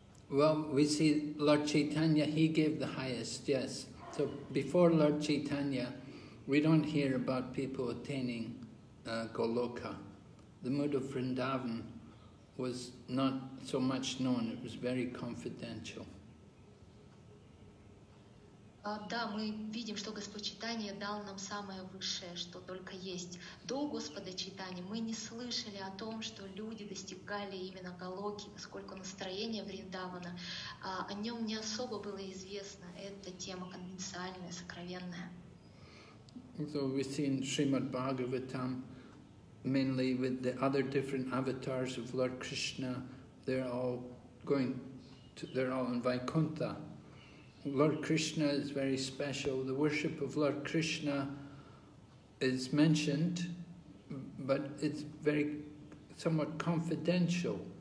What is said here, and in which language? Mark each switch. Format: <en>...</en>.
<en>Well, we see Lord Chaitanya, he gave the highest, yes. So before Lord Chaitanya, we don't hear about people attaining Goloka. The mood of Vrindavan was not so much known, it was very confidential.</en> <ru>Да, мы видим, что Господь Чайтанья дал нам самое высшее, что только есть. До Господа Чайтаньи мы не слышали о том, что люди достигали именно Голоки, поскольку настроение Вриндавана, о нем не особо было известно. Это тема конфиденциальная, сокровенная.</ru> <en>So we see in Srimad Bhagavatam, mainly with the other different avatars of Lord Krishna, they're all in Vaikuntha. Lord Krishna is very special. The worship of Lord Krishna is mentioned, but it's very somewhat confidential.</en>